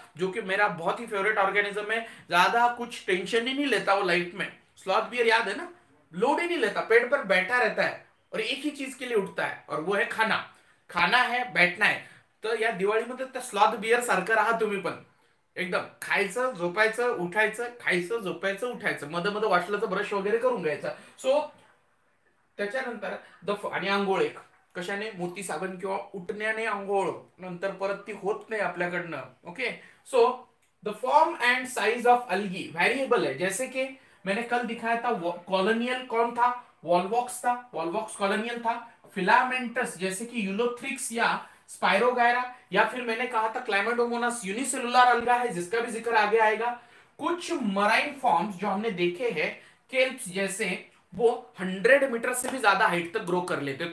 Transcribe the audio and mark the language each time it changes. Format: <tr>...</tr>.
<hi>जो कि मेरा बहुत ही फेवरेट ऑर्गेनिज्म है, ज्यादा कुछ टेंशन ही नहीं लेता वो लाइफ में, स्लॉथ बियर याद है ना, लोड ही नहीं लेता, पेड़ पर बैठा रहता है और एक ही चीज के लिए उठता है, और वो है खाना, खाना है, बैठना है। तो</hi> <mr>या दिवाळीमध्ये स्लॉथ बियर सारखं राहा तुम्ही पण, एकदम खायचं झोपायचं उठायचं, खायचं झोपायचं उठायचं, मध्ये मध्ये वाटलं तर ब्रश वगैरे करून घ्यायचा. सो त्याच्यानंतर आणि आंघोळ एक कशाने, मोती साबण किंवा उठण्याने आंघोळ, नंतर परत ती होत नाही आपल्याकडनं.</mr> <en>Okay, so the form and size of algae variable आहे.</en> <hi>जैसे की मैंने कल दिखाया था कॉलोनियल कौन था, वॉलवॉक्स था, वॉलवॉक्स कॉलोनियल था. फिलामेंटस जैसे कि यूलोथ्रिक्स या स्पायरोगायरा, या फिर मैंने कहा था क्लाइमेटोमोनास यूनिसेलुलर अल्गा है जिसका भी जिक्र आगे आएगा. कुछ मराइन फॉर्म्स जो हमने देखे है केल्प्स जैसे, वो 100 मीटर से भी ज्यादा हाइट तक ग्रो कर लेते.</hi>